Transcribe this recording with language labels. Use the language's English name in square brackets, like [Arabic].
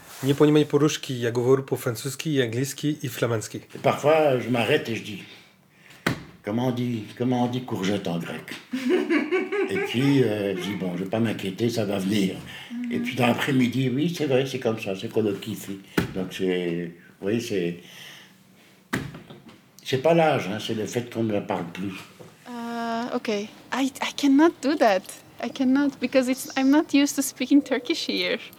[Russian] Nie понимаю по-русски, я говорю по-французски, и английски, и фламандски. [French] Parfois, je m'arrête et je dis, comment on dit courgette en grec? Et puis, je dis, bon, je ne vais pas m'inquiéter, ça va venir. Et puis, dans l'après-midi, oui, c'est vrai, c'est comme ça, c'est qu'on le kiffe. Donc, c'est pas l'âge, hein, c'est le fait qu'on ne la parle plus. [English] Okay, I cannot do that. I cannot, because I'm not used to speaking Turkish here.